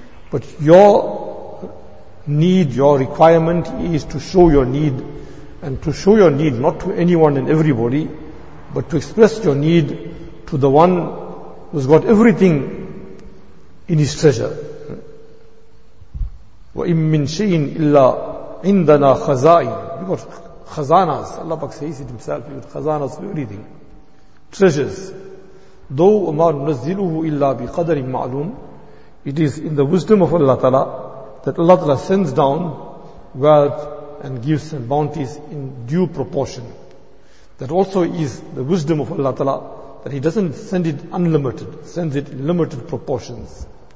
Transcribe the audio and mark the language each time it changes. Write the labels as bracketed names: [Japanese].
[English] But your need, your requirement is to show your need, and to show your need not to anyone and everybody, but to express your need to the one who's got everything in his treasure. [Arabic] وَإِمْ مِنْ شَيْءٍ إِلَّا عِنْدَنَا خَزَائِنَ. [English] We've got khazanas. Allah Pak says it himself. We've got khazanas for everything. Treasures. [Arabic] Though وَمَا نُنَزِّلُهُ إِلَّا بِقَدَرٍ مَعْلُومٍ. [English] It is in the wisdom of Allah Ta'ala that Allah Ta'ala sends down wealth and gifts and bounties in due proportion. That also is the wisdom of Allah Ta'ala, that he doesn't send it unlimited, sends it in limited proportions.